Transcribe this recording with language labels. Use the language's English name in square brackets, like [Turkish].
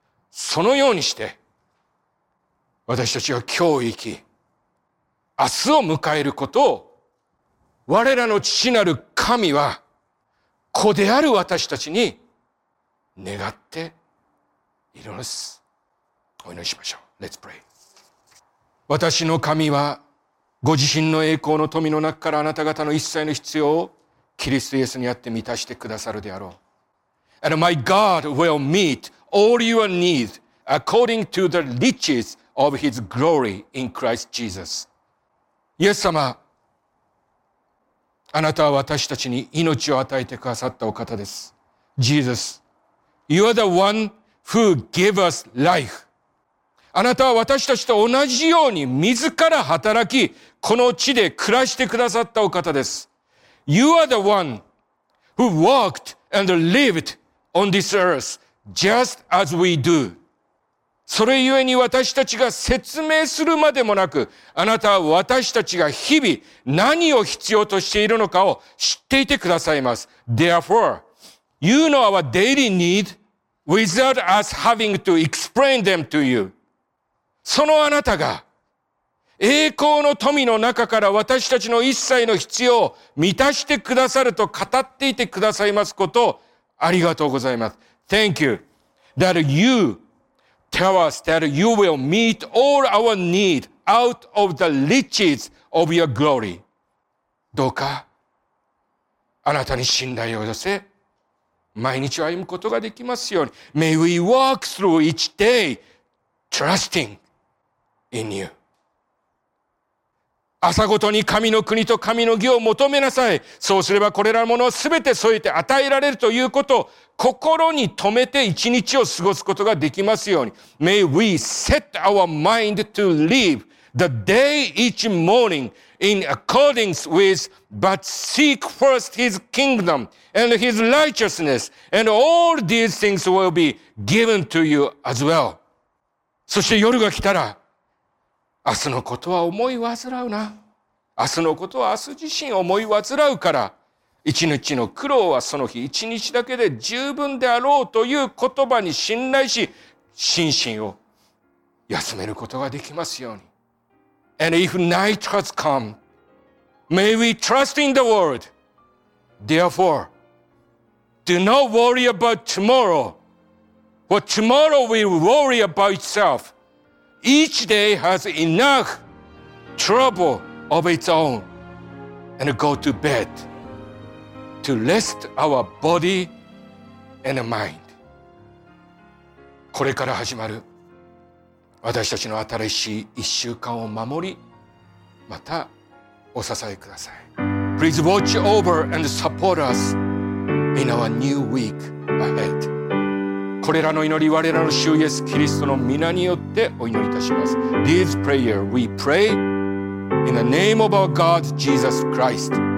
[Japanese] そのようにして私たちは今日生き明日を迎えることを我らの父なる神は子である私たちに願っているのです。お祈りしましょう。 [English] Let's pray。 [Japanese] 私の神はご自身の栄光の富の中からあなた方の一切の必要をキリストイエスにあって満たしてくださるであろう。 [English] And my God will meet all your needs according to the richesOf His glory in Christ Jesus. [Japanese] イエス様、あなたは私たちに命を与えてくださったお方です。 [English] Jesus, You are the one who gave us life. [Japanese] あなたは私たちと同じように自ら働き、この地で暮らしてくださったお方です。 [English] You are the one who walked and lived on this earth just as we do. [Japanese] それゆえに私たちが説明するまでもなく、あなたは私たちが日々何を必要としているのかを知っていてくださいます。 [English] Therefore, you know our daily need without us having to explain them to you. [Japanese] そのあなたが栄光の富の中から私たちの一切の必要を満たしてくださると語っていてくださいますことをありがとうございます。 [English] Thank you that youTell us that you will meet all our need out of the riches of your glory. [Japanese] どうか、あなたに信頼を寄せ、毎日歩むことができますように。 [English] May we walk through each day trusting in you. [Japanese] 朝ごとに神の国と神の義を求めなさい。そうすればこれらのものをすべて添えて与えられるということを心に留めて一日を過ごすことができますように。 [English] May we set our mind to live the day each morning in accordance with, but seek first his kingdom and his righteousness, and all these things will be given to you as well. [Japanese] そして夜が来たら、明日のことは思い煩うな。明日のことは明日自身思い煩うから、一日の苦労はその日一日だけで十分であろうという言葉に信頼し、心身を休めることができますように。 [English] And if night has come, may we trust in the Lord. Therefore, do not worry about tomorrow, for tomorrow will worry about itself. Each day has enough trouble of its own. And go to bed. To rest our body and mind. [Japanese] これから始まる私たちの新しい一週間を守り、またお支えください。 [English] Please watch over and support us in our new week ahead. [Japanese] これらの祈り、我らの主イエス・キリストの御名によってお祈りいたします。 [English] This prayer we pray in the name of our God Jesus Christ.